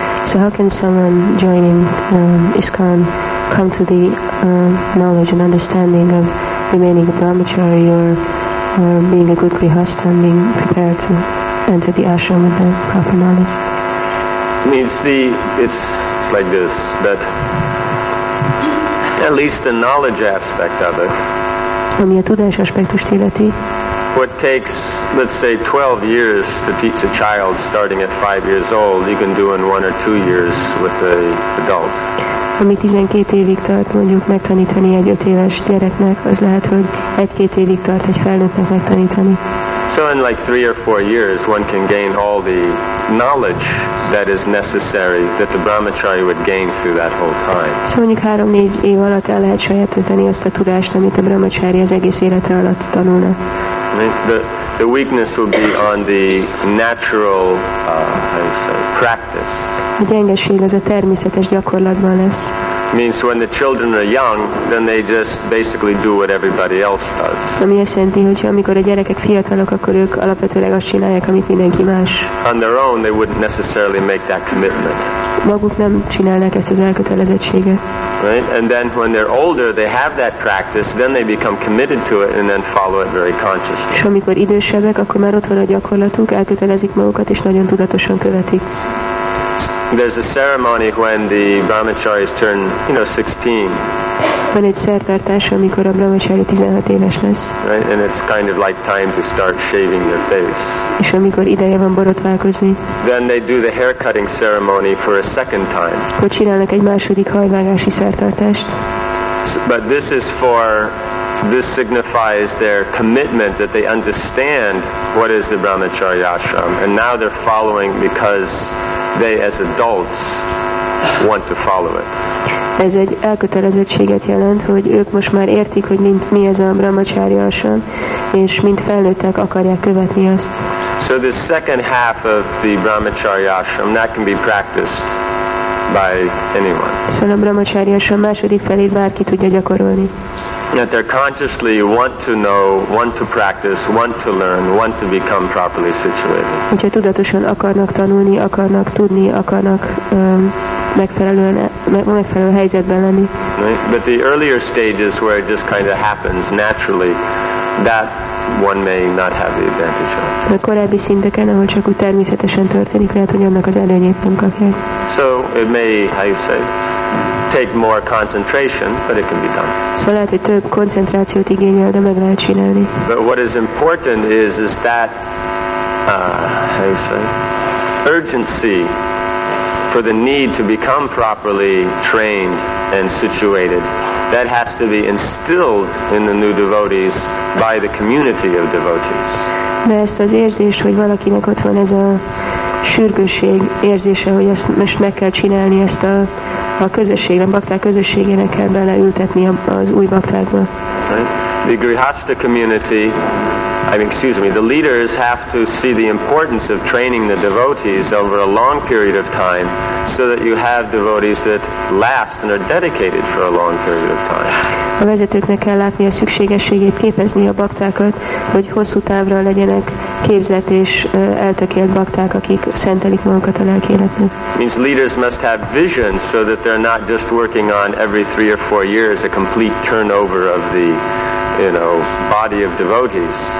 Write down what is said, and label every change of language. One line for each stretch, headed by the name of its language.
English: So how can someone joining ISKCON come to the knowledge and understanding of remaining a brahmachari or being a good grihastha and being prepared to enter the ashram with the proper knowledge? It's like this, but at least the knowledge aspect of it,
Hungarian: ami a tudás aspektust illeti.
English: What takes, let's say, 12 years to teach a child starting at 5 years old, you can do in 1 or 2 years with an adult.
Hungarian: Ami 12 évig tart, mondjuk megtanítani egy 5 éves gyereknek, az lehet, hogy 1-2 évig tart egy felnőttnek megtanítani.
English: So in like 3 or 4 years, one can gain all the knowledge that is necessary that the brahmachari would gain through that whole time.
Hungarian: So mondjuk 3-4 év alatt el lehet sajátítani azt a tudást, amit a brahmachari az egész élete alatt tanulna.
English: The weakness will be on the natural practice.
Hungarian: A gyengeség az a természetes gyakorlatban lesz.
English: Means when the children are young, then they just basically do what everybody else does.
Hungarian: Ami azt jelenti, hogy amikor a gyerekek fiatalok, akkor ők alapvetőleg azt csinálják, amit mindenki más.
English: On their own, they wouldn't necessarily make that commitment.
Hungarian: Maguk nem csinálnak ezt az elkötelezettséget.
English: Right? And then when they're older, they have that practice, then they become committed to it and then follow it very consciously.
Hungarian: És amikor idősebbek, akkor már ott van a gyakorlatuk, elkötelezik magukat és nagyon tudatosan követik.
English: There's a ceremony when the brahmacharis turn, you know, 16.
Hungarian: Van egy szertartás, amikor a brahmacharya 16 éves lesz.
English: Right? And it's kind of like time to start shaving their face.
Hungarian: És amikor ideje van borotválkozni.
English: Then they do the haircutting ceremony for a second time.
Hungarian: Akkor csinálnak egy második hajvágási szertartást.
English: But this is for, this signifies their commitment that they understand what is the brahmacharya ashram. And now they're following because they as adults want to follow it.
Hungarian: Ez egy elkötelezettséget jelent, hogy ők most már értik, hogy mi ez a brahmacharya ashram, és mint felnőttek akarják követni azt.
English: So the second half of the brahmacharya ashram, that can be practiced by anyone.
Hungarian: Szóval a brahmacharya ashram második felét bárki tudja gyakorolni.
English: That they consciously want to know, want to practice, want to learn, want to become properly situated.
Hungarian: Hogyha tudatosan akarnak tanulni, akarnak tudni, akarnak megfelelő helyzetben lenni.
English: But the earlier stages where it just kind of happens naturally, that one may not have the advantage of.
Hungarian: De korábbi szinteken, ahol csak úgy természetesen történik, lehet, hogy annak az előnyét nem kapják.
English: So it may, how you say, take more concentration, but it can be done.
Hungarian: So lehet, hogy több koncentrációt igényel, de meg lehet csinálni.
English: But what is important is that how you say, urgency for the need to become properly trained and situated. That has to be instilled in the new devotees by the community of devotees.
Hungarian: De ezt az érzést, hogy valakinek ott van ez a sürgősség érzése, hogy ezt most meg kell csinálni, ezt a közösségben, bakták közösségének kell beleültetni az új baktákba.
English: The grihastha community, the leaders have to see the importance of training the devotees over a long period of time so that you have devotees that last and are dedicated for a long period of time.
Hungarian: A vezetőknek kell látni a szükségességét képezni a baktákat, hogy hosszú távra legyenek képzett és eltökélt bakták, akik szentelik magukat a lelki életnek.
English: Means leaders must have vision so that they're not just working on every 3 or 4 years a complete turnover of the, you know, body of devotees.